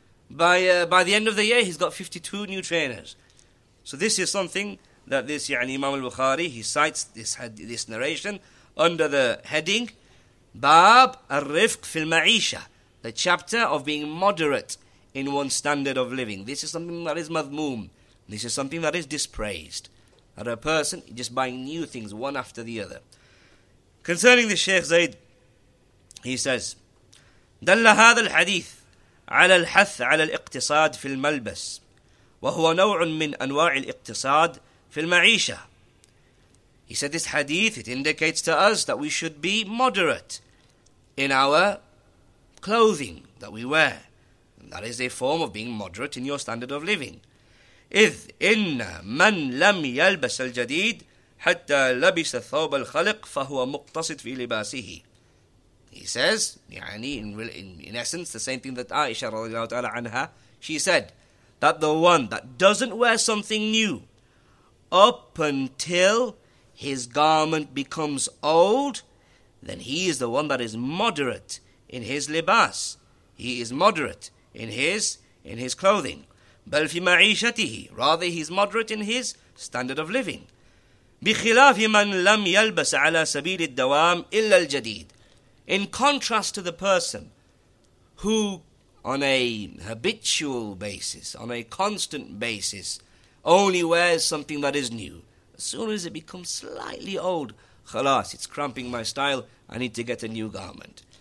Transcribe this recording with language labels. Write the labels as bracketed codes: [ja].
[en] By the end of the year, he's got 52 new trainers. So this is something that this Imam al-Bukhari, he cites this narration under the heading Bab al-Rifq fil Ma'isha, the chapter of being moderate in one's standard of living. This is something that is madmoom. This is something that is dispraised. That a person just buying new things one after the other. Concerning the Sheikh Zayd, he says, [ar] دل هذا الحديث على الحث على الاقتصاد في الملبس وهو نوع من أنواع الاقتصاد في المعيشة. [en] He said this hadith, it indicates to us that we should be moderate in our clothing that we wear. And that is a form of being moderate in your standard of living. [ar] إذ إن من لم يلبس الجديد حتى لبس ثوب الخلق فهو مقتصد في لباسه. [en] He says, in essence, the same thing that Aisha radiallahu ta'ala anha, she said, that the one that doesn't wear something new up until his garment becomes old, then he is the one that is moderate in his libas. He is moderate in his clothing. [ar] بل في معيشته. [en] Rather, he's moderate in his standard of living. [ar] بخلاف من لم يلبس على سبيل الدوام إلا الجديد. [en] In contrast to the person who, on a habitual basis, on a constant basis, only wears something that is new. As soon as it becomes slightly old, khalas, it's cramping my style, I need to get a new garment.